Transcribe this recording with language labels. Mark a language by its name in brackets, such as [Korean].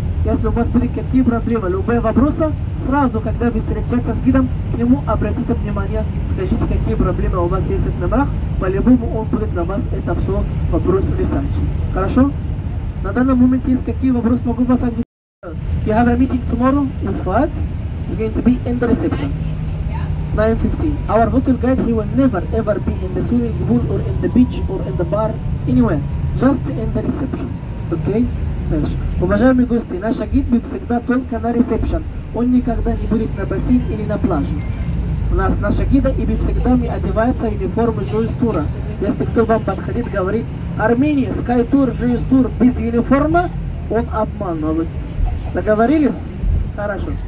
[Russian] Если у вас были какие-то проблемы, любые вопросы, сразу, когда вы встречаетесь с гидом, к нему обратите внимание, скажите, какие проблемы у вас есть в номерах, по-любому он будет для вас это все вопрос решать. Хорошо? На данный момент есть какие вопросы, могу вас ответить? [English] You have a meeting tomorrow, with what? It's going to be in the reception. 9:15. Our hotel guide, he will never ever be in the swimming pool, or in the beach, or in the bar, anywhere. Just in the reception. Okay? [Russian] Уважаемые гости, наш гид будет всегда только на ресепшн. Он никогда не будет на бассейн или на пляже. У нас наша гида и будет всегда одеваться в униформу жюстура. Если кто вам подходит, говорит, Армения, скайтур, жюстур без униформа, он обманывает. Договорились? Хорошо.